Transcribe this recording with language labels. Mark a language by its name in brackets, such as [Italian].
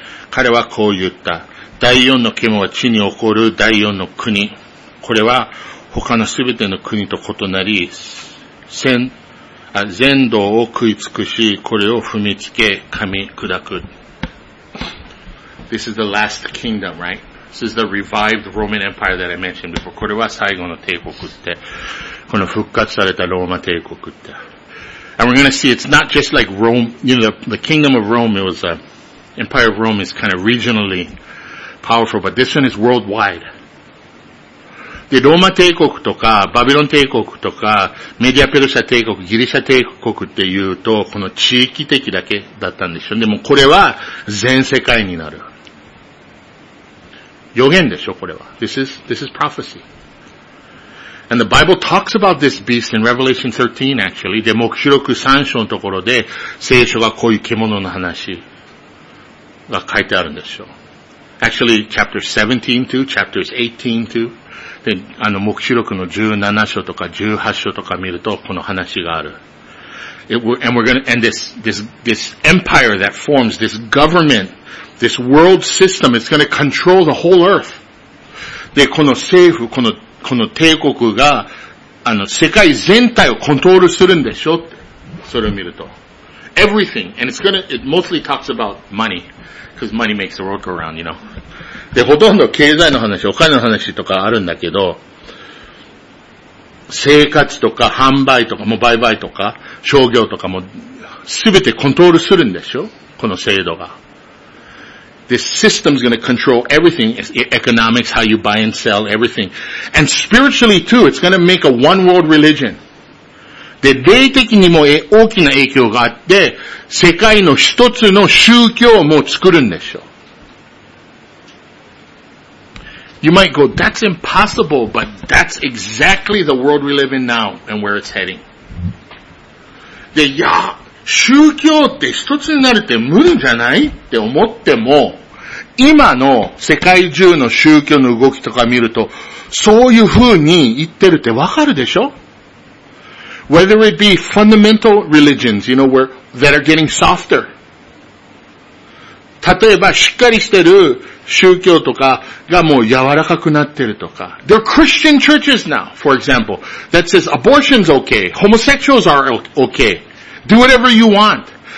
[Japanese] 彼はこう言った。第四の獣は地に起こる第四の国。これは他のすべての国と異なり、全土を食い尽くし、これを踏みつけ、噛み砕く。 [English] This is the last kingdom, right? This is the revived Roman Empire that I mentioned before. [Japanese] これは最後の帝国って。この復活されたローマ帝国って。 [English] And we're going to see it's not just like Rome, you know, the kingdom of Rome, it was a, Empire of Rome is kind of regionally powerful, but this one is worldwide. [Japanese] で、ローマ帝国とか、バビロン帝国とか、メディアペルシャ帝国、ギリシャ帝国っていうと、この地域的だけだったんでしょ。でもこれは全世界になる。予言でしょ、これは。 [English] This is prophecy. And the Bible talks about this beast in Revelation 13, actually. [Japanese] で、黙示録3章のところで、聖書がこういう獣の話が書いてあるんでしょ。 [English] Actually, chapters 17 too, chapters 18 too. [Japanese] で、あの、黙示録の17章とか18章とか見ると、この話がある。 [English] This empire that forms, this government, this world system, it's gonna control the whole earth. [Japanese] で、この政府、この帝国が、あの、世界全体をコントロールするんでしょ？それを見ると。 [English] Everything, and it mostly talks about money. Because money makes the world go round, you know. [Japanese] で、ほとんど経済の話、お金の話とかあるんだけど、生活とか販売とか、もう売買とか、商業とかも、すべてコントロールするんでしょ？この制度が。 [English] This system's gonna control everything, economics, how you buy and sell, everything. And spiritually too, it's gonna make a one world religion. [Japanese] で、霊的にも大きな影響があって、世界の一つの宗教をもう作るんでしょ。 [English] You might go, that's impossible, but that's exactly the world we live in now and where it's heading. [Japanese] で、いや、宗教って一つになるって無理じゃない？って思っても、今の世界中の宗教の動きとか見ると、そういう風に言ってるってわかるでしょ？ [English] Whether it be fundamental religions, you know, that are getting softer. [Japanese] 例えばしっかりしてる宗教とかがもう柔らかくなってるとか。 [English] There are Christian churches now, for example, that says abortion's okay, homosexuals are okay, do whatever you want.